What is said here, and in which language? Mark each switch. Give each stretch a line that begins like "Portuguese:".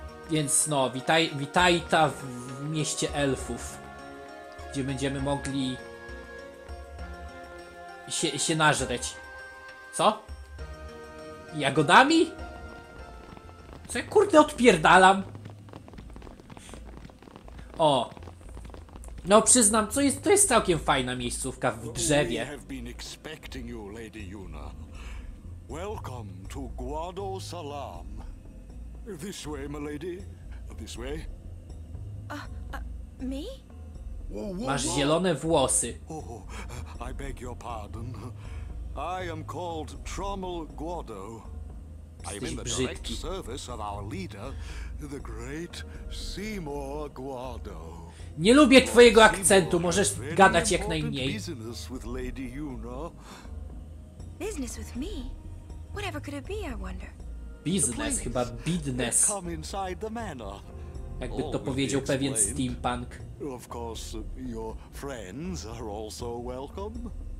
Polish: Więc no, witaj ta w mieście elfów, gdzie będziemy mogli się nażreć. Co? Jagodami? Co ja, kurde, odpierdalam? O. No przyznam, to jest całkiem fajna miejscówka w drzewie.
English: We have been expecting you, Lady Yuna. Welcome to Guado Salam. This way, my lady. This way. Me?
Polish: Masz zielone włosy.
English: Oh, I beg your pardon. I am called Trommel Guado. I am in the direct service of our leader, the great Seymour Guado.
Polish: Nie lubię twojego akcentu. Możesz gadać jak najmniej.
English: Business with Lady Yuna. Business with me? Whatever could it be, I wonder.
Polish: Biznes, chyba bidnes.
English: Come inside the manor.
Polish: Jakby to powiedział pewien steampunk.
English: Of course, your friends are also welcome.